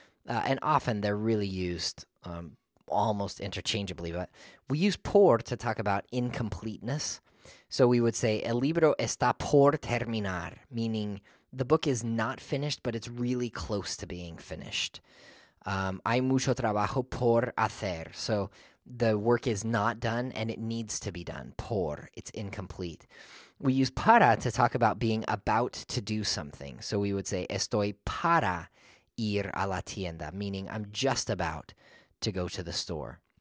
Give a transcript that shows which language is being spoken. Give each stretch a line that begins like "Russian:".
English: And often they're really used almost interchangeably, but we use por to talk about incompleteness. So we would say,
Spanish: el libro está por terminar,
English: meaning the book is not finished, but it's really close to being finished.
Spanish: Hay mucho trabajo por hacer.
English: So the work is not done and it needs to be done. Por, it's incomplete. We use para to talk about being about to do something. So we would say,
Spanish: estoy para ir a la tienda,
English: meaning I'm just about to go to the store.